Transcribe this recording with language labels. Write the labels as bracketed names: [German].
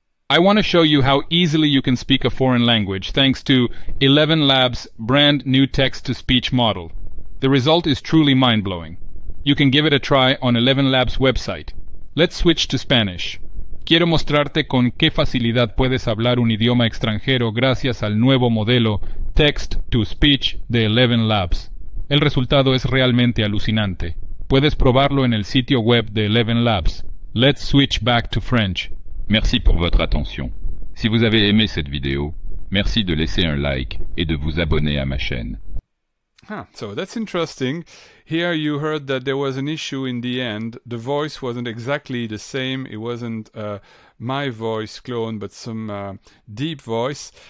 [English] I want to show you how easily you can speak a foreign language thanks to ElevenLabs' brand new text-to-speech model. The result is truly mind-blowing. You can give it a try on ElevenLabs' website. Let's switch to Spanish. [Spanish] Quiero mostrarte con qué facilidad puedes hablar un idioma extranjero gracias al nuevo modelo text-to-speech de ElevenLabs. El resultado es realmente alucinante. Puedes probarlo en el sitio web de ElevenLabs. [English] Let's switch back to French. [French] Merci pour votre attention. Si vous avez aimé cette vidéo, merci de laisser un like et de vous abonner à ma chaîne. [English] Ah, so that's interesting. Here you heard that there was an issue in the end. The voice wasn't exactly the same. It wasn't my voice clone, but some deep voice.